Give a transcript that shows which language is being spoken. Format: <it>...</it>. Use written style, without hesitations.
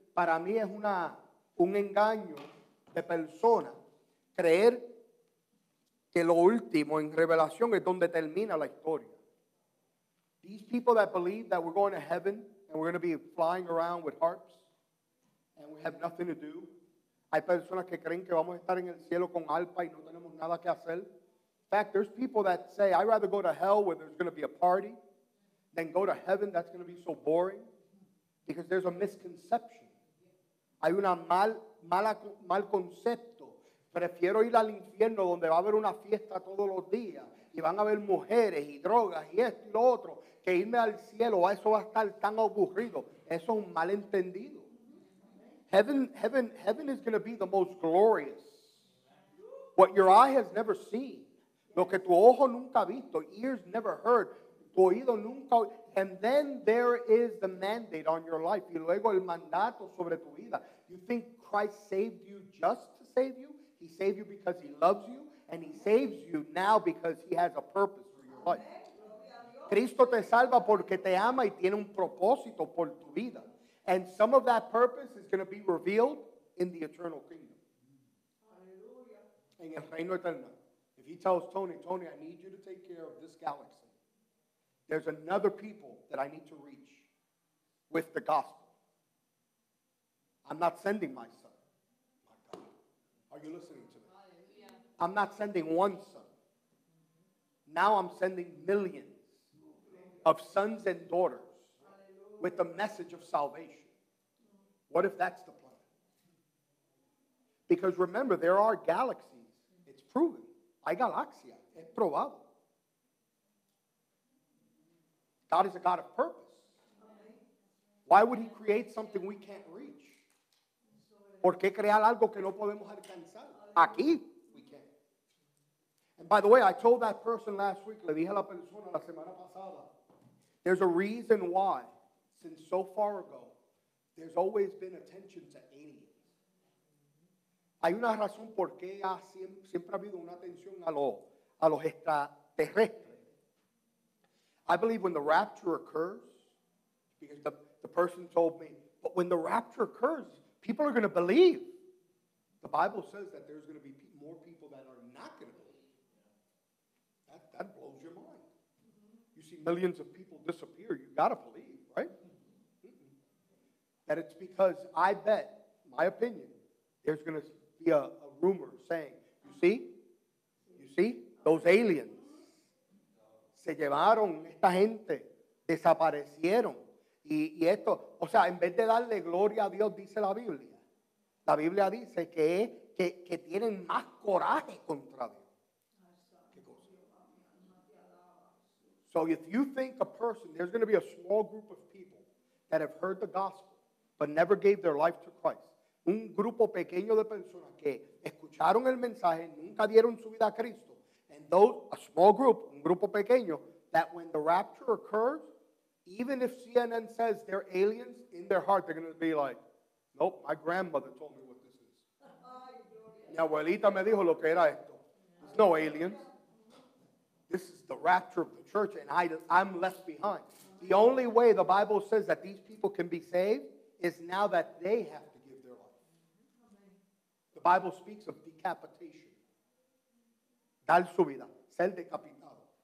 <es>Para mí es un engaño de persona creer que lo último en Revelación es donde termina la historia.</es> <en>These people that believe that we're going to heaven and we're going to be flying around with harps and we have nothing to do.</en> <es>Hay personas que creen que vamos a estar en el cielo con arpa y no tenemos nada que hacer.</es> <en>In fact, there's people that say, I'd rather go to hell where there's going to be a party than go to heaven that's going to be so boring, because there's a misconception.</en> <es>Hay una mal concepto. Prefiero ir al infierno donde va a haber una fiesta todos los días y van a haber mujeres y drogas y esto y lo otro, que irme al cielo, eso va a estar tan aburrido. Eso es un malentendido.</es> <en>Heaven is going to be the most glorious. What your eye has never seen.</en> <es>Lo que tu ojo nunca ha visto.</es> <en>Ears never heard.</en> <es>Tu oído nunca.</es> <en>And then there is the mandate on your life.</en> <es>Y luego el mandato sobre tu vida.</es> <en>You think Christ saved you just to save you? He saved you because he loves you. And he saves you now because he has a purpose for your life.</en> <es>Cristo te salva porque te ama y tiene un propósito por tu vida.</es> <en>And some of that purpose is going to be revealed in the eternal kingdom.</en> <es>En el reino eterno.</es> <en>If he tells Tony, I need you to take care of this galaxy. There's another people that I need to reach with the gospel. I'm not sending my son. My God. Are you listening to me? I'm not sending one son. Now I'm sending millions of sons and daughters with the message of salvation. What if that's the plan? Because remember, there are galaxies. It's proven.</en> <es>Hay galaxias. Es probado.</es> <en>God is a God of purpose. Why would he create something we can't reach?</en> <es>¿Por qué crear algo que no podemos alcanzar? Aquí.</es> <en>And by the way, I told that person last week,</en> <es>le dije a la persona la semana pasada,</es> <en>there's a reason why, since so far ago, there's always been attention to aliens.</en> <es>Hay una razón por qué siempre ha habido una atención a los extraterrestres.</es> <en>I believe when the rapture occurs, because the person told me, but when the rapture occurs, people are going to believe. The Bible says that there's going to be more people that are not going to believe. That blows your mind. Millions of people disappear. You gotta believe, right? That it's because I bet, my opinion, there's gonna be a rumor saying, you see, those aliens</en> <es>se llevaron esta gente, desaparecieron. Y esto, o sea, en vez de darle gloria a Dios, dice la Biblia dice que tienen más coraje contra Dios.</es> <en>So if you think a person, there's going to be a small group of people that have heard the gospel but never gave their life to Christ.</en> <es>Un grupo pequeño de personas que escucharon el mensaje, nunca dieron su vida a Cristo.</es> <en>And those, a small group,</en> <es>un grupo pequeño,</es> <en>that when the rapture occurs, even if CNN says they're aliens, in their heart they're going to be like, nope, my grandmother told me what this is.</en> <es>Mi abuelita me dijo lo que era esto.</es> <en>There's no aliens. This is the rapture of the church, and I'm left behind. The only way the Bible says that these people can be saved is now that they have to give their life. The Bible speaks of decapitation.</en> <es>Dar su vida. Ser decapitado.</es>